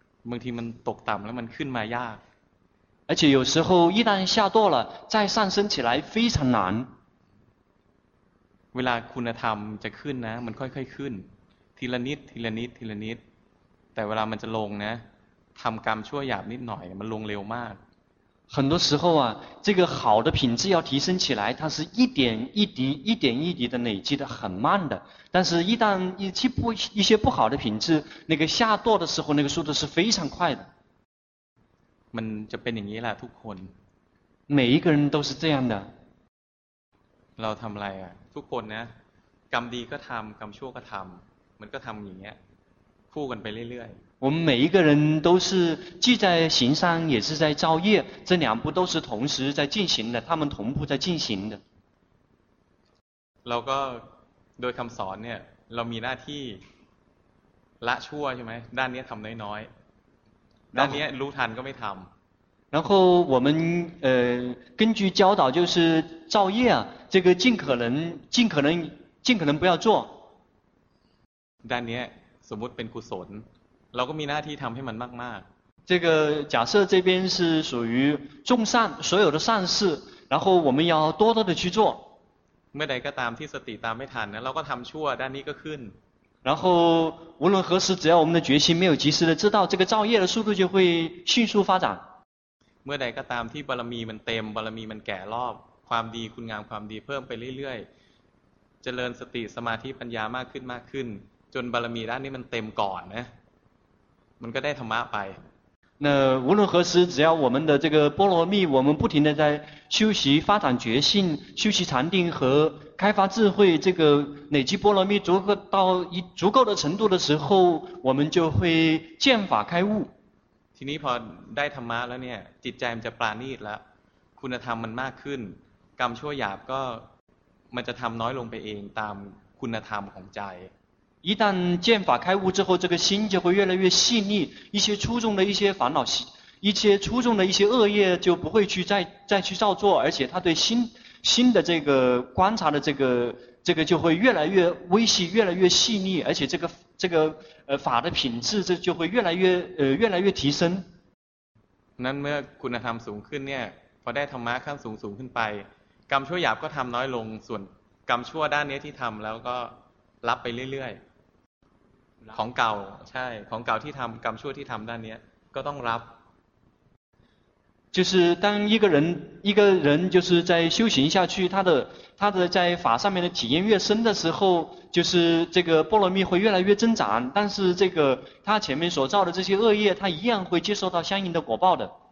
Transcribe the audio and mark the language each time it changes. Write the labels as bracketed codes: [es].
[th] บางทีมันตกต่ำแล้วมันขึ้นมายาก [zh] 而且有时候一旦下堕了再上升起来非常难 [th] เวลาคุณธรรมจะขึ้นนะมันค่อยๆขึ้นทีละนิดทีละนิดทีละนิดแต่เวลามันจะลงนะทำกรรมชั่วหยาบนิดหน่อยมันลงเร็วมาก [zh] 很多时候啊这个好的品质要提升起来它是一点一滴一点一滴的累积的很慢的但是一旦一些不好的品质那个下堕的时候那个速度是非常快的 [th] มันจะเป็นอย่างนี้แหละทุกคน [zh] 每一个人都是这样的 [th] เราทำอะไรอ่ะทุกคนนะกรรมดีก็ทำกรรมชั่วก็ทำมันก็ทำอย่างเงี้ยคู่กันไปเรื่อยๆ [zh] 我们每一个人都是既在行善也是在造业这两步都是同时在进行的他们同步在进行的 [th] เราก็โดยคำสอนเนี่ยเรามีหน้าที่ละชั่วใช่ไหมด้านนี้ทำน้อยๆด้านนี้รู้ทันก็ไม่ทำ [zh] 然后我们根据教导就是造业啊这个尽可能不要做 [th] ด้านนี้สมมติเป็นกุศลเราก็มีหน้าที่ทำให้มันมาก [zh] ๆ这个假设这边是属于众善所有的善事然后我们要多多的去做 [th] เมื่อใดก็ตามที่สติตามไม่ทันนะเราก็ทำชั่วด้านนี้ก็ขึ้น [zh] 然后无论何时只要我们的决心没有及时的知道这个造业的速度就会迅速发展 [th] เมื่อใดก็ตามที่บารมีมันเต็มบารมีมันแก่รอบความดีคุณงามความดีเพิ่มไปเรื่อยๆเจริญสติสมาธิปัญญามากขึ้นมากขึ้นจนบารมีด้านนี้มันเต็มก่อนนะมันก็ได้ธรรมะไป [zh] 那无论何时只要我们的这个波罗蜜我们不停的在修习发展觉性修习禅定和开发智慧这个累积波罗蜜足够到一足够的程度的时候我们就会见法开悟 [th] ทีนี้พอได้ธรรมะแล้วเนี่ยจิตใจมันจะปราณีตแล้วคุณธรรมมันมากขึ้นกรรมชั่วหยาบก็มันจะทำน้อยลงไปเองตามคุณธรรมของใจ [zh] 一旦见法开悟之后这个心就会越来越细腻一些初中的一些烦恼一些初中的一些恶业就不会去再去造作而且他对心的这个观察的这个这个就会越来越微细，越来越细腻，而且这个法的品质这就会越来越提升。 [th] นั้นเมื่อคุณธรรมสูงขึ้นเนี่ยพอได้ธรรมะขั้นสูงสูงขึ้นไปกรรมชั่วหยาบก็ทำน้อยลงส่วนกรรมชั่วด้านนี้ที่ทำแล้วก็รับไปเรื่อยๆของเก่าใช่ของเก่าที่ทำกรรมชั่วที่ทำด้านนี้ก็ต้องรับ [zh] 就是当一个人就是在修行下去，他的在法上面的体验越深的时候，就是这个波罗蜜会越来越增长。但是这个他前面所造的这些恶业，他一样会接受到相应的果报的。